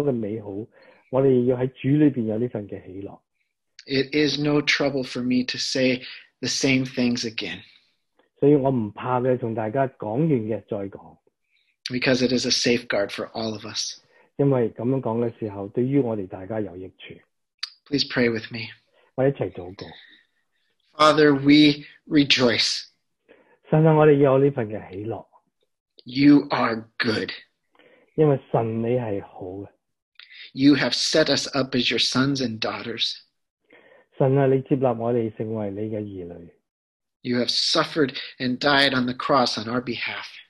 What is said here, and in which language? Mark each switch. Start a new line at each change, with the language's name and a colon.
Chinese: 所以我们选择是神为我们所做的这么多的美好,我们要在主里面有这份的喜乐。
English: It is no trouble for me to say the same things again.
Chinese: 所以我不怕的,跟大家讲完的再讲。
English: Because it is a safeguard for all of us.
Chinese: 因为这样讲的时候,对于我们大家有益处。
English: Please pray with me.
Chinese: 我一起祷告。
English: Father, we rejoice.
Chinese: 神啊,我们有这份的喜乐。
English: You are good.
Chinese: 因为神你是好的。
English: You have set us up as your sons and daughters.
Chinese: 神啊,你接纳我们成为你的儿女。
English: You have suffered and died on the cross on our behalf.